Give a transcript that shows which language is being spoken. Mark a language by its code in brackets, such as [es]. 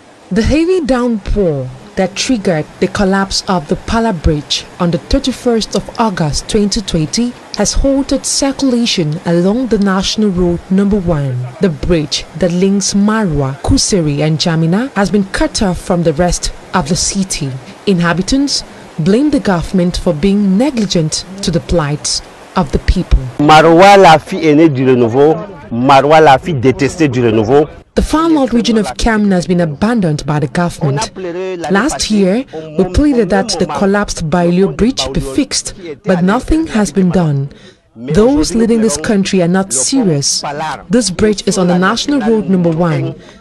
[en] The heavy downpour that triggered the collapse of the Pala Bridge on the 31st of August 2020 has halted circulation along the National Road No. 1. The bridge that links Marwa, Kuseri and Jamina has been cut off from the rest of the city. Inhabitants blame the government for being negligent to the plight of the people. [fr] Marwa la fille aînée du renouveau, Marwa la fille détestée du renouveau. [en] The far north region of Cameroon has been abandoned by the government. Last year, we pleaded that the collapsed Bailio Bridge be fixed, but nothing has been done. Those leading this country are not serious. This bridge is on the National Road No. 1.